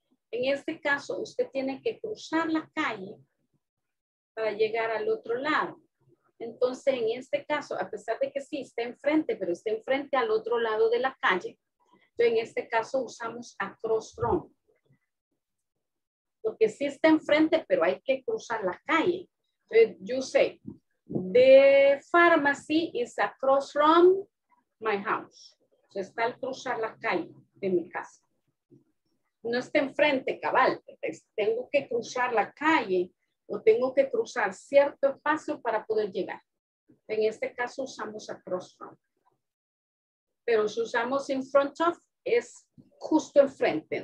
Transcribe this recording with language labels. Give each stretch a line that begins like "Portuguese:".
Spanish: En este caso, usted tiene que cruzar la calle para llegar al otro lado. Entonces, en este caso, a pesar de que sí, está enfrente, pero está enfrente al otro lado de la calle, entonces en este caso usamos across from. Porque sí está enfrente, pero hay que cruzar la calle.
English: Entonces, you say, the pharmacy is across from my house.
Spanish: O sea, está al cruzar la calle de mi casa. No está enfrente, cabal. Tengo que cruzar la calle o tengo que cruzar cierto espacio para poder llegar. En este caso usamos across from. Pero si usamos in front of, es justo enfrente.